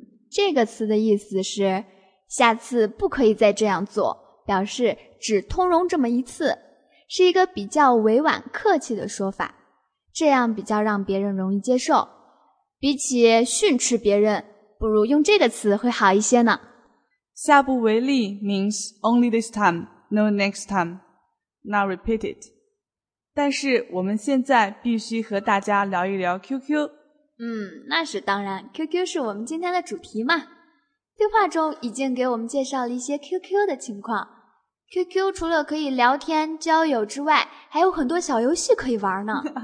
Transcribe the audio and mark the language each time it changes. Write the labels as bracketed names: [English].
[Chinese] 这个词的意思是下次不可以再这样做，表示只通融这么一次，是一个比较委婉客气的说法，这样比较让别人容易接受。比起训斥别人，不如用这个词会好一些呢。 [English] 下不为例 means only this time, no next time, not repeated. [Chinese] 但是我们现在必须和大家聊一聊 QQ。那是当然， QQ 是我们今天的主题嘛。对话中已经给我们介绍了一些 QQ 的情况。 QQ 除了可以聊天交友之外，还有很多小游戏可以玩呢。